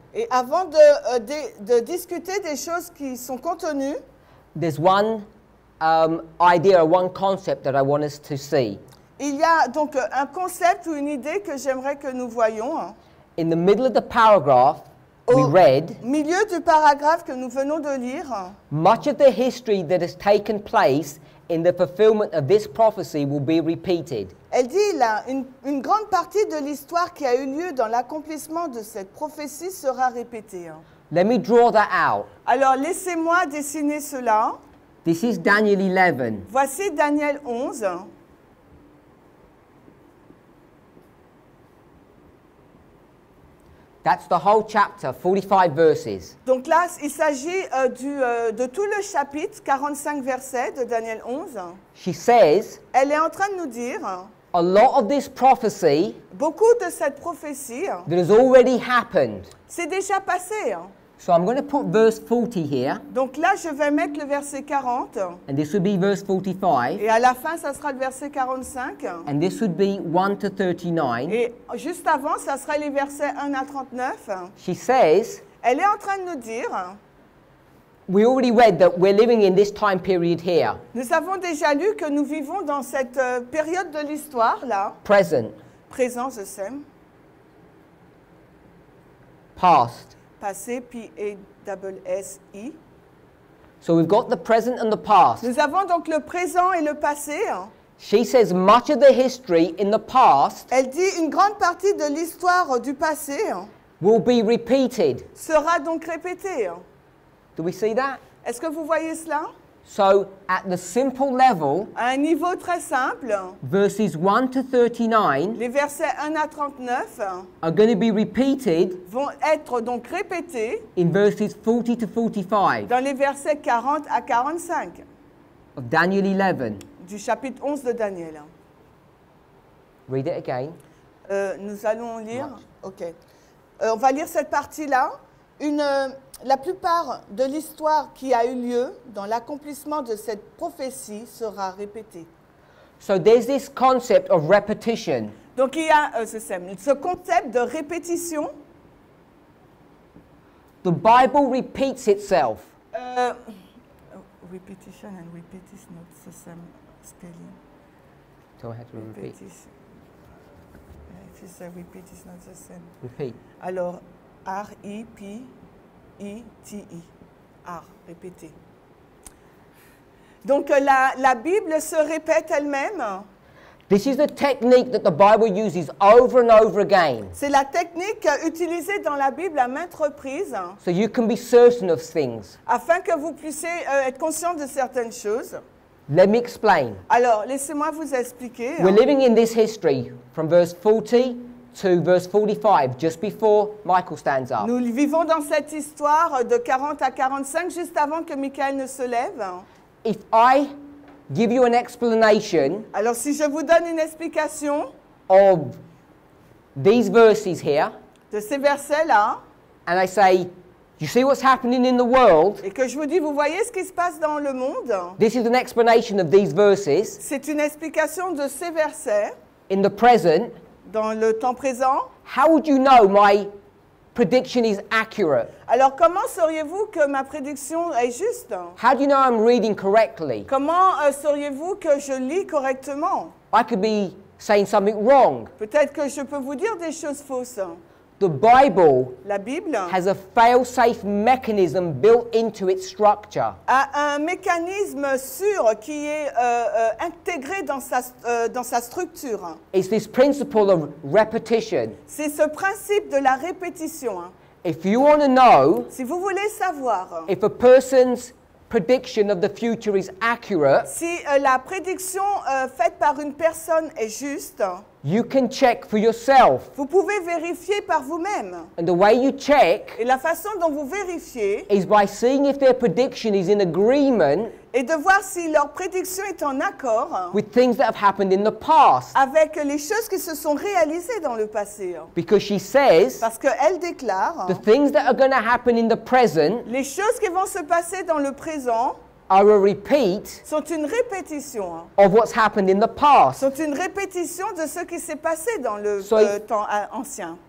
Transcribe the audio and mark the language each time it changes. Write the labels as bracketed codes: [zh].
[fr] et avant de discuter des choses qui sont contenues, [en] there's one idea or one concept that I want us to see. [fr] Il y a donc un concept ou une idée que j'aimerais que nous voyions. [en] In the middle of the paragraph [fr] au [en] we read, [fr] milieu du paragraphe que nous venons de lire, [en] much of the history that has taken place in the fulfillment of this prophecy will be repeated. [fr] Elle dit là, une grande partie de l'histoire qui a eu lieu dans l'accomplissement de cette prophétie sera répétée. [en] Let me draw that out. [fr] Alors, laissez-moi dessiner cela. [en] This is Daniel 11. [fr] Voici Daniel 11. [en] That's the whole chapter, 45 verses. [fr] Donc là, il s'agit de tout le chapitre, 45 versets de Daniel 11. [en] She says, [fr] elle est en train de nous dire, [en] a lot of this prophecy, [fr] beaucoup de cette prophétie, [en] that has already happened, [fr] c'est déjà passé. [en] So I'm going to put verse 40 here. [fr] Donc là, je vais mettre le verset 40. [en] And this would be verse 45. [fr] Et à la fin, ça sera le verset 45. [en] And this would be 1 to 39. [fr] Et juste avant, ça sera les versets 1 à 39. [en] She says, [fr] elle est en train de nous dire, [en] we already read that we're living in this time period here. [fr] Nous avons déjà lu que nous vivons dans cette période de l'histoire là. [en] Present. [fr] Présent, je sais. [en] Past. [fr] Passé, P-A-S-S-I. [en] So we've got the present and the past. [fr] Nous avons donc le présent et le passé. [en] She says much of the history in the past. [fr] Elle dit une grande partie de l'histoire du passé. [en] Will be repeated. [fr] Sera donc répété. [en] Do we see that? [fr] Est-ce que vous voyez cela? [en] So at the simple level. [fr] À un niveau très simple. [en] Verses 1 to 39. [fr] Les versets 1 à 39. [en] Are going to be repeated. [fr] Vont être donc répétés. [en] In verses 40 to 45. [fr] Dans les versets 40 à 45. [en] Of Daniel 11. [fr] Du chapitre 11 de Daniel. [en] Read it again. [fr] Nous allons lire. Watch. Ok. On va lire cette partie-là. La plupart de l'histoire qui a eu lieu dans l'accomplissement de cette prophétie sera répétée. [en] So there's this concept of repetition. [fr] Donc il y a ce concept de répétition. [en] The Bible repeats itself. Repetition and repeat is not the same spelling. So I had to repeat. If you say repeat, it's not the same. Repeat. [fr] Alors, R-E-P-E-T-E. R, répéter. Donc, la Bible se répète elle-même. [en] This is the technique that the Bible uses over and over again. [fr] C'est la technique utilisée dans la Bible à maintes reprises. [en] So you can be certain of things. [fr] Afin que vous puissiez être conscient de certaines choses. [en] Let me explain. [fr] Alors, laissez-moi vous expliquer. [en] We're living in this history from verse 40 to verse 45, just before Michael stands up. [fr] Nous vivons dans cette histoire de 40 à 45, juste avant que Michael ne se lève. [en] If I give you an explanation. [fr] Alors, si je vous donne une explication. [en] Of these verses here. [fr] De ces versets-là. [en] And I say, you see what's happening in the world? [fr] Et que je vous dis, vous voyez ce qui se passe dans le monde? [en] This is an explanation of these verses. [fr] C'est une explication de ces versets. [en] In the present. [fr] Dans le temps présent. [en] How would you know my prediction is accurate? [fr] Alors comment sauriez-vous que ma prédiction est juste? [en] How do you know I'm reading correctly? [fr] Comment sauriez-vous que je lis correctement? [en] I could be saying something wrong. [fr] Peut-être que je peux vous dire des choses fausses. [en] The Bible, [fr] la Bible [en] has a fail-safe mechanism built into its structure. [fr] A un mécanisme sûr qui est intégré dans sa structure. [en] It's this principle of repetition. [fr] C'est ce principe de la répétition. [en] If you want to know, [fr] si vous voulez savoir, [en] if a person's prediction of the future is accurate, [fr] si la prédiction faite par une personne est juste, [en] you can check for yourself. [fr] Vous pouvez vérifier par vous-même. [en] And the way you check, [fr] et la façon dont vous vérifiez, [en] is by seeing if their prediction is in agreement, [fr] et de voir si leur prédiction est en accord, [en] with things that have happened in the past, [fr] avec les choses qui se sont réalisées dans le passé. [en] Because she says, [fr] parce qu'elle déclare, [en] the things that are going to happen in the present, [fr] les choses qui vont se passer dans le présent, [en] are a repeat, [fr] sont une répétition, [en] of what's happened in the past. [fr] Sont une répétition de ce qui s'est passé dans le temps ancien.